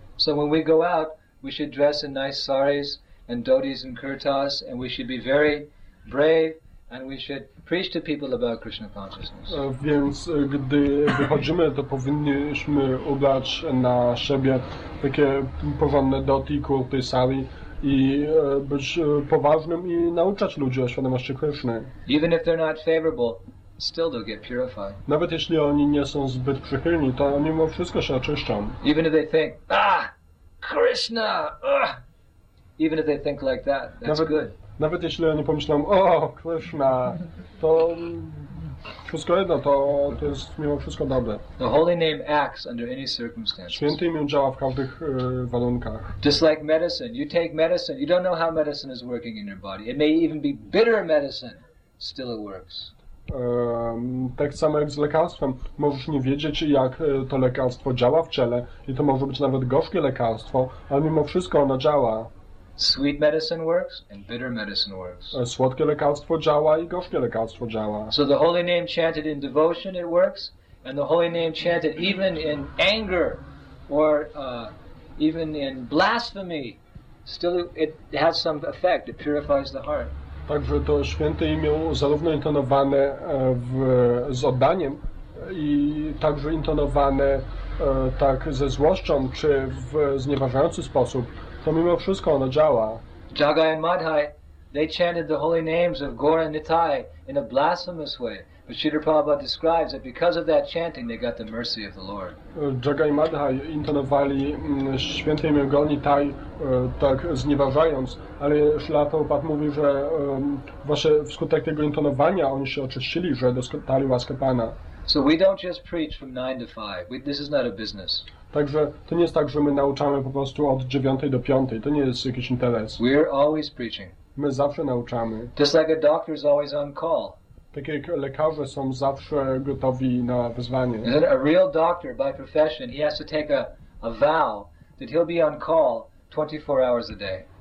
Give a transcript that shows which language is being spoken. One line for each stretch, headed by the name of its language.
English: So when we go out, we should dress in nice saris and dhotis and kurtas, and we should be very brave, and we should preach to people about Krishna consciousness.
Polish: Więc gdy wychodzimy, to powinniśmy ubrać na siebie takie porządne dhoti, kurty, sari i być poważnym i nauczać ludzi o świadomości Krishny.
English: Even if they're not favorable, still they'll get purified.
Polish: Nawet jeśli oni nie są zbyt przychylni, to oni mimo wszystko się oczyszczą.
English: Even if they think, Krishna, even if they think like that, that's
Polish: nawet,
English: good.
Polish: Nawet jeśli oni pomyślą, Krishna, to wszystko jedno, to jest mimo wszystko dobre.
English: The holy name acts under any circumstances.
Polish: Święty imię działa w każdych warunkach.
English: Just like medicine, you take medicine, you don't know how medicine is working in your body. It may even be bitter medicine, still it works.
Polish: Tak samo jak z lekarstwem, możesz nie wiedzieć, jak to lekarstwo działa w ciele i to może być nawet gorzkie lekarstwo, ale mimo wszystko ono działa.
English: Sweet medicine works and bitter medicine works.
Polish: Słodkie lekarstwo działa i gorzkie lekarstwo działa.
English: So the holy name chanted in devotion, it works, and the holy name chanted even in anger or even in blasphemy, still it has some effect. It purifies the heart.
Polish: Także to święte imię zarówno intonowane z oddaniem i także intonowane tak ze złością czy w znieważający sposób, to mimo wszystko ono działa.
English: Jagai and Madhai, they chanted the holy names of Gaura and Nithai in a blasphemous way. But Śrīla Prabhupāda describes that because of that chanting they got the mercy of the Lord.
Polish: Jagai i Madhai intonowali święte imię Gaura and Nithai tak znieważając, ale Śrīla Prabhupāda mówi, że właśnie wskutek tego intonowania oni się oczyścili, że dostali łaskę Pana.
English: So we don't just preach from 9 to 5. This is not a business.
Polish: Także to nie jest tak, że my nauczamy po prostu od 9 do 5. To nie jest jakiś interes.
English: We are always preaching.
Polish: My zawsze nauczamy.
English: Just like a doctor is always on call.
Polish: Tak jak lekarze są zawsze gotowi na wyzwanie.
English: And a real doctor by profession, he has to take a vow that he'll be on call 24 hours a day.